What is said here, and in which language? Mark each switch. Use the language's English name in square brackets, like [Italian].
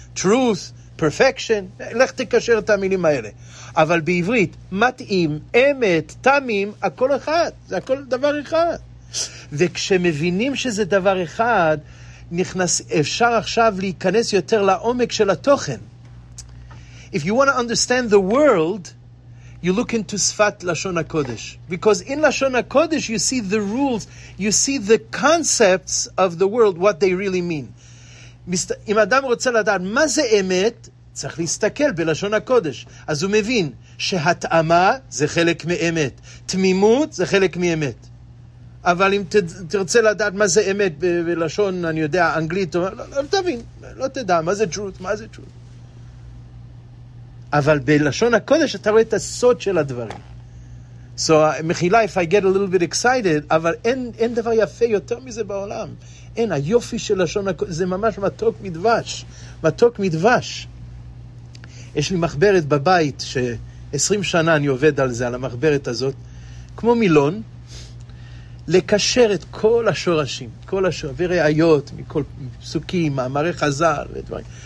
[English] Truth, perfection, [Hebrew] לך תקשר את המילים האלה. אבל בעברית, מתאים, אמת, תמים, הכל אחד, זה הכל דבר אחד. וכשמבינים שזה דבר אחד, נכנס, אפשר עכשיו להיכנס יותר לעומק של התוכן. [English] If you want to understand the world, you look into [Hebrew] שפת לשון הקודש. [English] Because in לשון הקודש, you see the rules, you see the concepts of the world, what they really mean. [Hebrew] אם אדם רוצה לדעת מה זה אמת, צריך להסתכל בלשון הקודש. אז הוא מבין שהתאמה זה חלק מאמת. תמימות זה חלק מאמת. אבל אם תרצה לדעת מה זה אמת בלשון, אני יודע, אנגלית, לא תבין, לא תדע מה זה truth, מה זה truth. אבל בלשון הקודש אתה רואה את הסוד של הדברים. So, מחילה, [English] if I get a little bit excited, [Hebrew] אבל אין דבר יפה יותר מזה בעולם. אין, היופי של לשון הקודש, זה ממש מתוק מדבש. מתוק מדבש. יש לי מחברת בבית, ש-20 שנה אני עובד על זה, על המחברת הזאת, כמו מילון, לקשר את כל השורשים, כל השורשים, וראיות מכל פסוקים, מאמרי חזל ודברים.